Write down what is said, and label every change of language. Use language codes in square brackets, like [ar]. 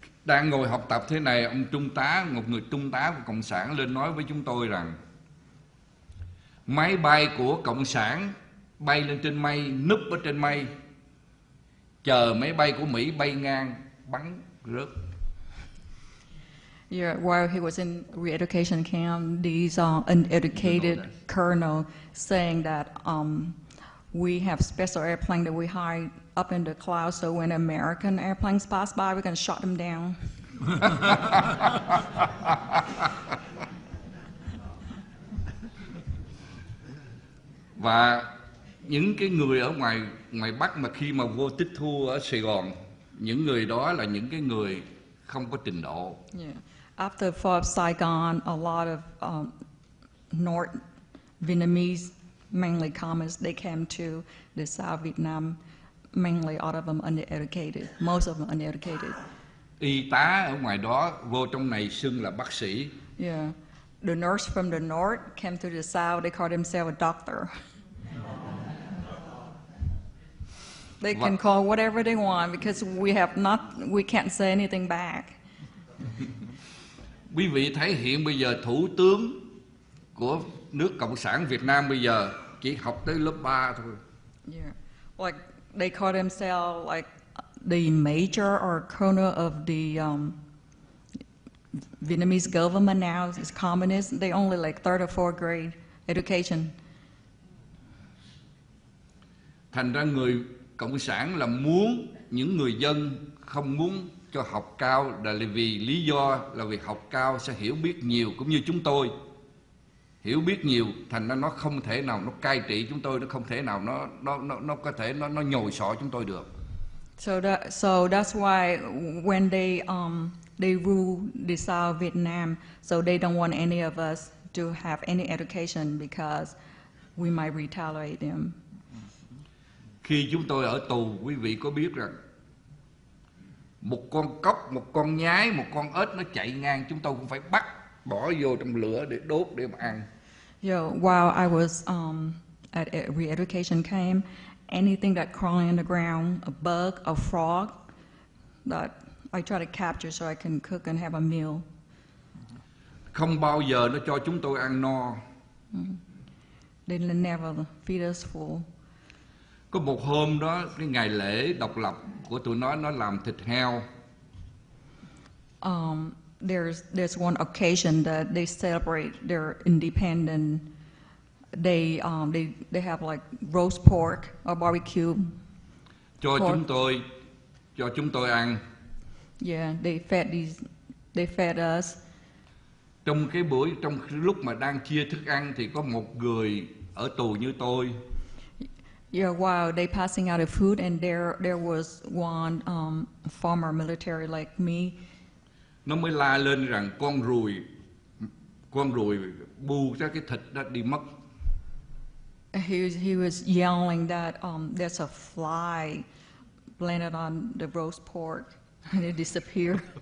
[vi] Đang ngồi học tập thế này, ông trung tá, một người trung tá của Cộng sản lên nói với chúng tôi rằng máy bay của Cộng sản bay lên trên mây, núp ở trên mây, chờ máy bay của Mỹ bay ngang, bắn rớt. [en] Yeah, while he was in re-education camp, these uneducated colonel saying that we have special airplane that we hide up in the clouds, so when American airplanes pass by, we can shut them down. [vi] Và những cái người ở ngoài ngoài Bắc mà khi mà vô tịch thu ở Sài Gòn, những người đó là những cái người không có trình độ. [en] Yeah. After fall of Saigon, a lot of North Vietnamese, mainly communists, they came to the South Vietnam. Mainly, all of them uneducated. Most of them uneducated. [vi] Y tá ở ngoài đó vô trong này xưng là bác sĩ. [en] Yeah, the nurse from the north came to the south. They called themselves a doctor. They can call whatever they want because we have not. We can't say anything back. [vi] Quý vị thấy hiện bây giờ thủ tướng của nước Cộng sản Việt Nam bây giờ chỉ học tới lớp 3 thôi. [en] Yeah, like. They call themselves like the major or colonel of the Vietnamese government now is communist. They only like third or fourth grade education. [vi] Thành ra người cộng sản là muốn những người dân không muốn cho học cao là vì lý do là vì học cao sẽ hiểu biết nhiều cũng như chúng tôi. Hiểu biết nhiều thành ra nó không thể nào nó cai trị chúng tôi, nó không thể nào nó có thể nó nhồi sọ chúng tôi được. [en] So that's why when they rule the South Vietnam, so they don't want any of us to have any education because we might retaliate them. [vi] Khi chúng tôi ở tù, quý vị có biết rằng một con cóc, một con nhái, một con ếch nó chạy ngang chúng tôi cũng phải bắt bỏ vô trong lửa để đốt để mà ăn. [en] Yeah, while I was at a re-education camp, anything that crawling in the ground, a bug, a frog, that I try to capture so I can cook and have a meal. [vi] Không bao giờ nó cho chúng tôi ăn no. [en] They never feed us full. [vi] Có một hôm đó, cái ngày lễ độc lập của tụi nó làm thịt heo. [en] There's one occasion that they celebrate their independent. They have like roast pork or barbecue. [vi] Cho chúng tôi ăn. [en] Yeah, they fed us. [vi] Trong cái buổi trong lúc mà đang chia thức ăn thì có một người ở tù như tôi. [en] Yeah, while they passing out the food and there was one former military like me. [vi] Nó mới la lên rằng con ruồi bu ra cái thịt đó đi mất. [en] He was yelling that there's a fly landed on the roast pork and it disappeared.